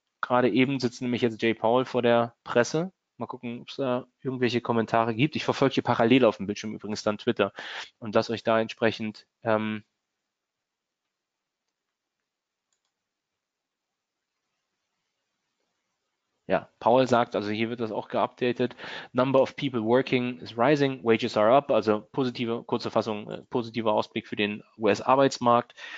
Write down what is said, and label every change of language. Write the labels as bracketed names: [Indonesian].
[German] Gerade eben sitzt nämlich jetzt Jay Powell vor der Presse. Mal gucken, ob es da irgendwelche Kommentare gibt. Ich verfolge hier parallel auf dem Bildschirm übrigens dann Twitter und lasse euch da entsprechend ja, Paul sagt, also hier wird das auch geupdatet. [English] Number of people working is rising, wages are up. [German] Also positive, kurze Fassung, positiver Ausblick für den US-Arbeitsmarkt.